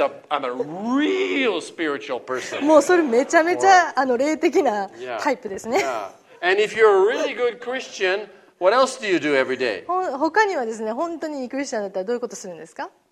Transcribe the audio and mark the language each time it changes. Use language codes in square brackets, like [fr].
[en] I'm a real spiritual person. [ja] もうそれめちゃめちゃ、あの霊的なタイプですね。 [en] And if you're a really good Christian, what else do you do every day? [ja] 他にはですね、本当にいいクリスチャンだったらどういうことするんですか。